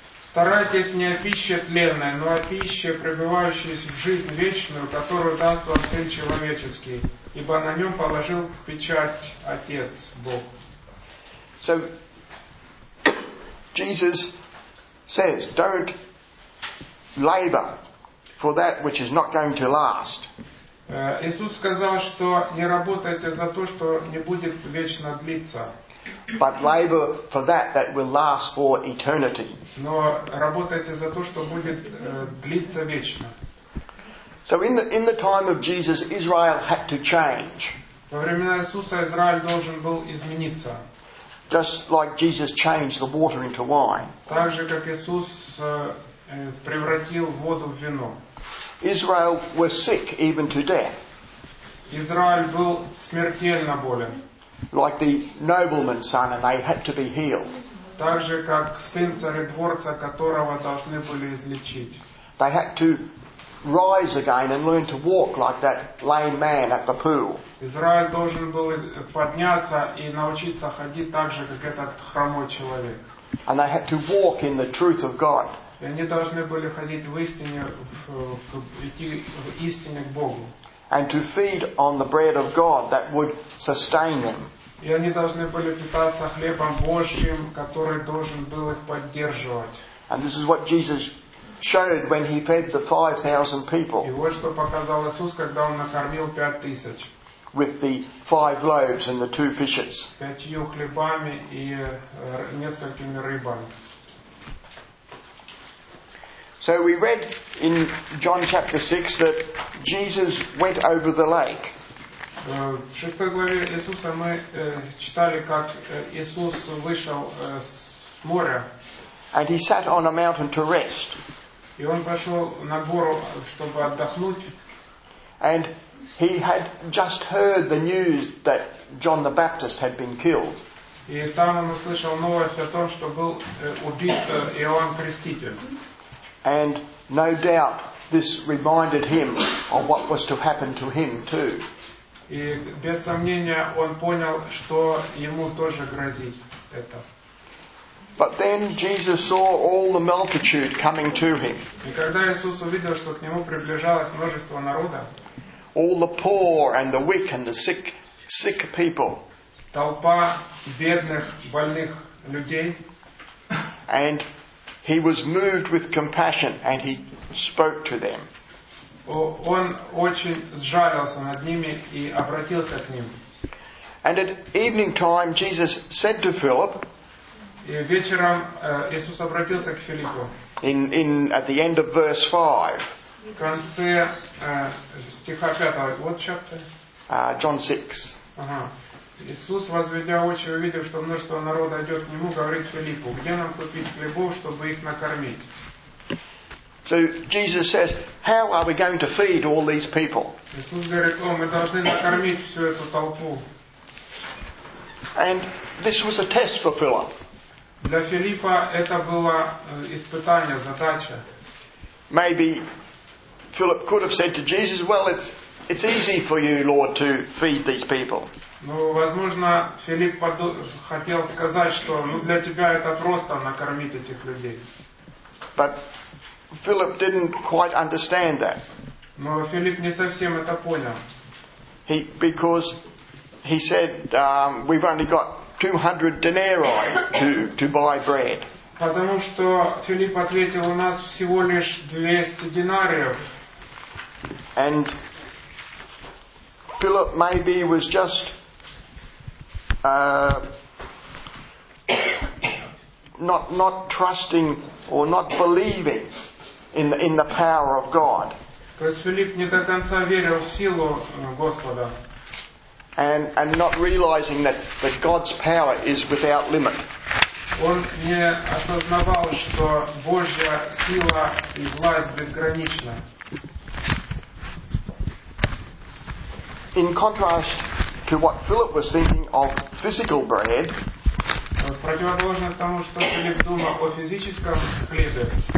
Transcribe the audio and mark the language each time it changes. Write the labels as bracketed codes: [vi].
[ru] Старайтесь не о пище тленной, но о пище, пребывающей в жизнь вечную, которую даст вам Сын человеческий, ибо на нем положил печать Отец Бог. [en] So Jesus says, don't labor for that which is not going to last. [ru] Иисус сказал, что не работайте за то, что не будет вечно длиться. [en] But labor for that will last for eternity. [ru] Но работайте за то, что будет длиться вечно. [en] So in the time of Jesus, Israel had to change. [ru] Во времена Иисуса Израиль должен был измениться. [en] Just like Jesus changed the water into wine. [ru] Так же как Иисус превратил воду в вино. [en] Israel was sick even to death. [ru] Израиль был смертельно болен. [en] Like the nobleman's son, and they had to be healed. [ru] Так же как сын царедворца, которого должны были излечить. [en] They had to rise again and learn to walk like that lame man at the pool. [ru] Израиль должен был подняться и научиться ходить так же, как этот хромой человек. [en] And they had to walk in the truth of God. [ru] И они должны были ходить в истине, идти в истине к Богу. [en] And to feed on the bread of God that would sustain them. [ru] И они должны были питаться хлебом Божьим, который должен был их поддерживать. [en] And this is what Jesus showed when he fed the 5,000 people. [ru] И вот что показал Иисус, когда он накормил 5,000. [en] With the 5 loaves and the 2 fishes. [ru] 5 хлебами и несколькими рыбами. [en] So we read in John chapter 6 that Jesus went over the lake. [ru] В 6 главе Иисуса мы читали, как Иисус вышел с моря. [en] And he sat on a mountain to rest. [ru] И он пошел на гору, чтобы отдохнуть. [en] And he had just heard the news that John the Baptist had been killed. [ru] И там он услышал новость о том, что был убит Иоанн Креститель. [en] And no doubt this reminded him of what was to happen to him too. [ru] И без сомнения он понял, что ему тоже грозит это. [en] But then Jesus saw all the multitude coming to him. [ru] И когда Иисус увидел, что к нему приближалось множество народа, [en] all the poor and the weak and the sick people. [ru] Толпа бедных, больных людей. [en] And he was moved with compassion and he spoke to them. [ru] Он очень сжалился над ними и обратился к ним. [en] And at evening time Jesus said to Philip. [ru] И вечером Иисус обратился к Филиппу. [en] In at the end of verse 5. [ru] В конце стиха 5. [en] What chapter? John 6. [ru] Иисус, возведя очи, увидев, что множество народа идет к Нему, говорит Филиппу, где нам купить хлебов, чтобы их накормить? [en] So Jesus says, how are we going to feed all these people? [ru] Иисус говорит, о, мы должны накормить всю эту толпу. [en] And this was a test for Philip. [ru] Для Филиппа это было испытание, задача. [en] Maybe Philip could have said to Jesus, well, it's easy for you, Lord, to feed these people. [ru] Ну, возможно, Филипп хотел сказать, что для тебя это просто накормить этих людей. [en] But Philip didn't quite understand that. [ru] Но Филипп не совсем это понял. [en] Because he said, we've only got 200 denarii to buy bread. [ru] Потому что Филипп ответил, у нас всего лишь 200 динариев. [en] And Philip maybe was just not trusting or not believing in the power of God. [ru] То есть Филипп не до конца верил в силу Господа. [en] And not realizing that God's power is without limit. [ru] Он не осознавал, что Божья сила и власть безгранична. [en] In contrast to what Philip was thinking of physical bread, [ru] противоположность тому, что Филипп думал о физическом хлебе,